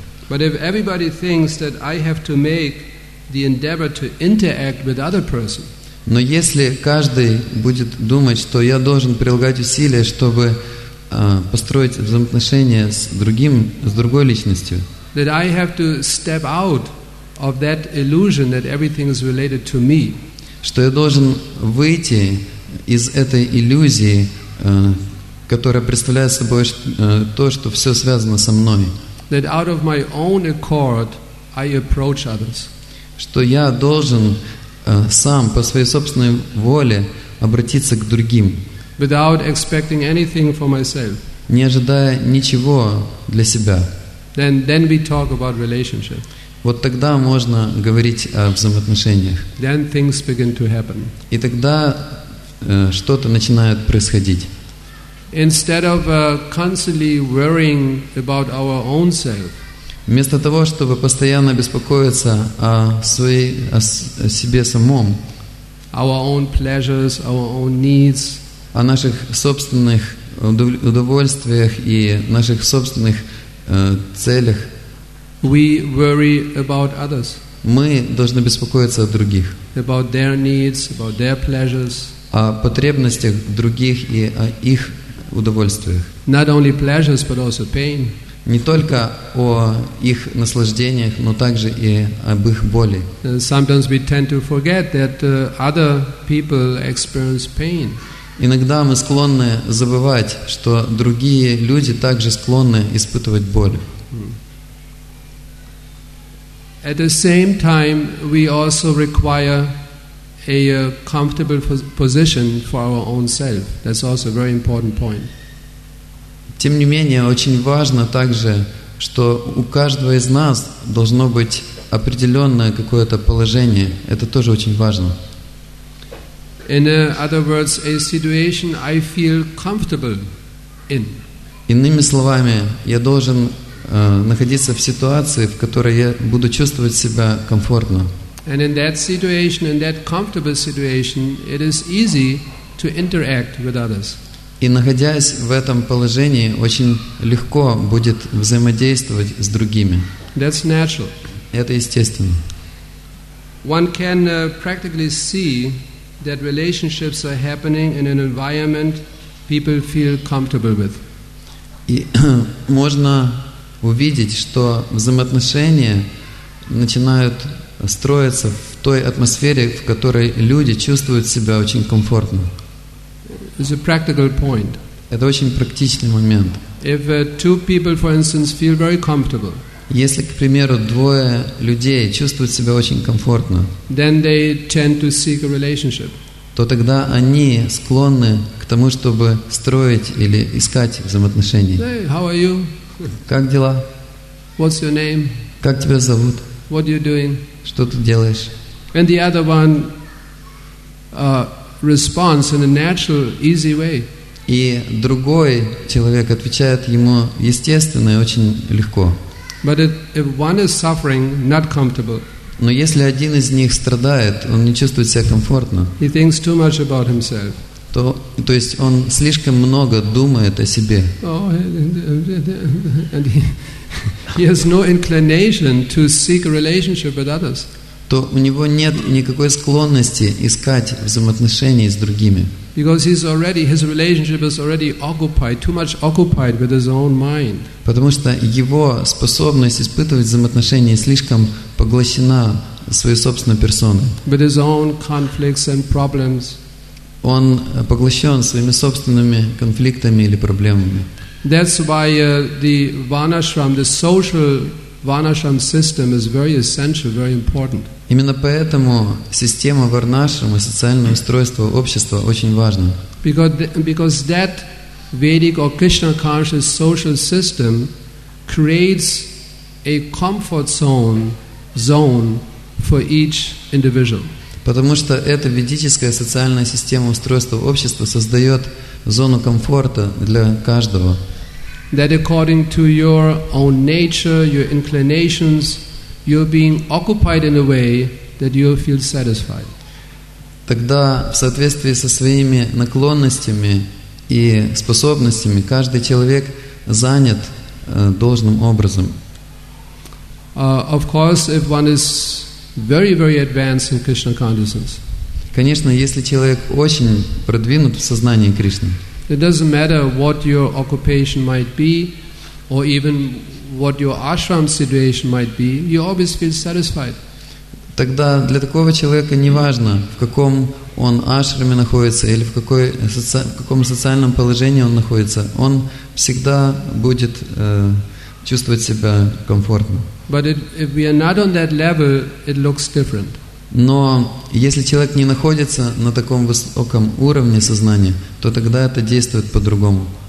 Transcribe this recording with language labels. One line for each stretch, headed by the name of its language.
English: But if everybody thinks that I have to make the endeavor to interact with other person.
Russian: Но если каждый будет думать, что я должен прилагать усилия, чтобы построить взаимоотношения с другим, с другой личностью.
English: That I have to step out of that illusion that everything is related to me.
Russian: Что я должен выйти из этой иллюзии, которая представляет собой то, что все связано со мной.
English: That out of my own accord I approach others.
Russian: Что я должен сам по своей собственной воле обратиться к другим.
English: Without expecting anything for myself.
Russian: Не ожидая ничего для себя.
English: Then we talk about relationship.
Russian: Вот тогда можно говорить о взаимоотношениях.
English: Then things begin to happen.
Russian: И тогда что-то начинает происходить.
English: Instead of constantly worrying about our own self.
Russian: Вместо того, чтобы постоянно беспокоиться о себе самом.
English: Our own pleasures, our own needs.
Russian: О наших собственных удовольствиях и наших собственных целях.
English: We worry about others.
Russian: Мы должны беспокоиться о других.
English: About their needs, about their pleasures.
Russian: О потребностях других и о их удовольствиях.
English: Not only pleasures, but also pain.
Russian: Не только о их наслаждениях, но также и об их боли.
English: Sometimes we tend to forget that other people experience pain.
Russian: Иногда мы склонны забывать, что другие люди также склонны испытывать боль.
English: At the same time, we also require a comfortable position for our own self. That's also a very important point.
Russian: Тем не менее, очень важно также, что у каждого из нас должно быть определенное какое-то положение. Это тоже очень важно.
English: In other words, a situation I feel comfortable in.
Russian: Иными словами, я должен находиться в ситуации, в которой я буду чувствовать себя комфортно.
English: And in that situation, in that comfortable situation, it is easy to interact with others.
Russian: И находясь в этом положении, очень легко будет взаимодействовать с другими.
English: That's natural.
Russian: Это естественно.
English: One can practically see that relationships are happening in an environment people feel comfortable with.
Russian: И можно увидеть, что взаимоотношения начинают строиться в той атмосфере, в которой люди чувствуют себя очень комфортно.
English: It's a practical point.
Russian: Это очень практичный момент.
English: If two people, for instance, feel very comfortable,
Russian: если, к примеру, двое людей чувствуют себя очень комфортно,
English: then they tend to seek a relationship.
Russian: То тогда они склонны к тому, чтобы строить или искать взаимоотношения.
English: Hey, how are you?
Russian: Как дела?
English: What's your name?
Russian: Как тебя зовут?
English: What are you doing?
Russian: Что ты делаешь?
English: And the other one responds in a natural, easy way.
Russian: И другой человек отвечает ему естественно и очень легко.
English: But if one is suffering, not comfortable.
Russian: Но если один из них страдает, он не чувствует себя комфортно.
English: He thinks too much about himself.
Russian: То есть он слишком много думает о себе.
English: Oh, and he has no inclination to seek a relationship with others.
Russian: То у него нет никакой склонности искать взаимоотношений с другими.
English: Because he's already, his relationship is already occupied, too much occupied with his own mind.
Russian: Потому что его способность испытывать взаимоотношения слишком поглощена своей собственной персоной.
English: With his own conflicts and problems.
Russian: Он поглощен своими собственными конфликтами или проблемами.
English: That's why the Vanashram, the social Vanashram system is very essential, very important.
Russian: Именно поэтому система Варнашрама, социальное устройство общества, очень важна.
English: Because that Vedic or Krishna conscious social system creates a comfort zone for each individual.
Russian: Потому что эта ведическая социальная система устройства общества создает зону комфорта для каждого.
English: That according to your own nature, your inclinations, you're being occupied in a way that you feel satisfied.
Russian: Тогда в соответствии со своими наклонностями и способностями каждый человек занят должным образом.
English: Of course, if one is very, very advanced in Krishna consciousness.
Russian: Конечно, если человек очень продвинут в сознании Кришны.
English: It doesn't matter what your occupation might be, or even what your ashram situation might be. You always feel satisfied.
Russian: Тогда для такого человека не важно, в каком он ашраме находится или в каком социальном положении он находится. Он всегда будет чувствовать себя комфортно.
English: But if we are not on that level, it looks different.
Russian: Но если человек не находится на таком высоком уровне сознания, то тогда это действует по-другому.